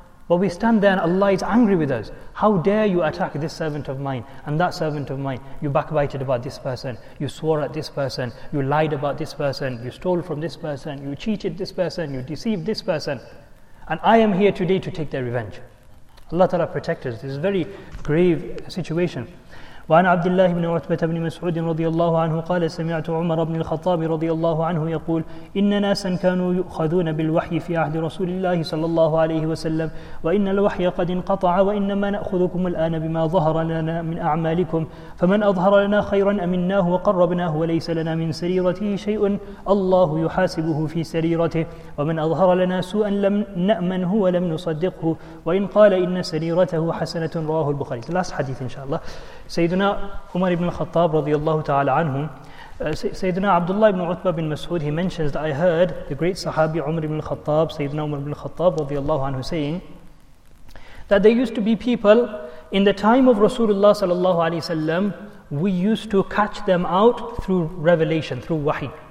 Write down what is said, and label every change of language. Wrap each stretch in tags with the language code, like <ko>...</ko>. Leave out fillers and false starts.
<en>But we stand there and Allah is angry with us. How dare you attack this servant of mine and that servant of mine? You backbited about this person. You swore at this person. You lied about this person. You stole from this person. You cheated this person. You deceived this person. And I am here today to take their revenge. Allah Ta'ala protect us. This is a very grave situation.</en> <ar>وعن عبد الله بن عتبة بن مسعود رضي الله عنه قال سمعت عمر بن الخطاب رضي الله عنه يقول إن ناسا كانوا يؤخذون بالوحي في عهد رسول الله صلى الله عليه وسلم وإن الوحي قد انقطع وإنما نأخذكم الآن بما ظهر لنا من أعمالكم فمن أظهر لنا خيرا أمناه وقربناه وليس لنا من سريرته شيء الله يحاسبه في سريرته ومن أظهر لنا سوءا لم نأمنه ولم نصدقه وإن قال إن سريرته حسنة رواه البخاري.</ar> <en>Last</en> <ar>حديث إن شاء الله.</ar> <en>Sayyidina Umar ibn al-Khattab radiyallahu ta'ala anhum, Sayyidina Abdullah ibn Utbah bin Mas'ud, he mentions that I heard the great Sahabi Umar ibn al-Khattab, Sayyidina Umar ibn al-Khattab radiyallahu anhu, saying that there used to be people in the time of Rasulullah sallallahu alayhi sallam, we used to catch them out through revelation, through wahi.</en>